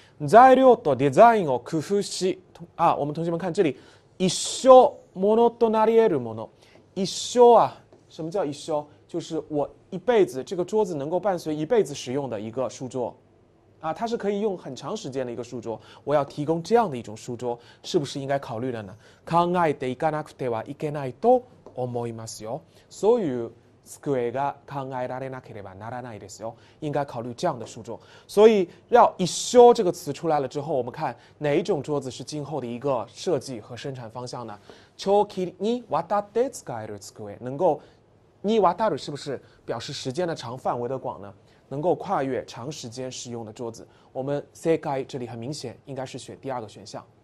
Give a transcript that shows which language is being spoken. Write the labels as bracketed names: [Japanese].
[Japanese] 材料とデザインを工夫し， [Chinese] 啊，我们同学们看这里， [Japanese] 一生ものとなり得るもの， [Chinese] 一生啊，什么叫一生？就是我一辈子这个桌子能够伴随一辈子使用的一个书桌，啊，它是可以用很长时间的一个书桌。我要提供这样的一种书桌，是不是应该考虑了呢？ [Japanese] 考えていかなくてはいけないと。思いますよ。そういう机が考えられなければならないですよ。 [Chinese] 应该考虑这样的书桌。所以要一生这个词出来了之后，我们看哪一种桌子是今后的一个设计和生产方向呢？ [Japanese] 長期にわたって使える机， [Chinese] 能够にわたる是不是表示时间的长范围的广呢？能够跨越长时间使用的桌子，我们正解这里很明显应该是选第二个选项。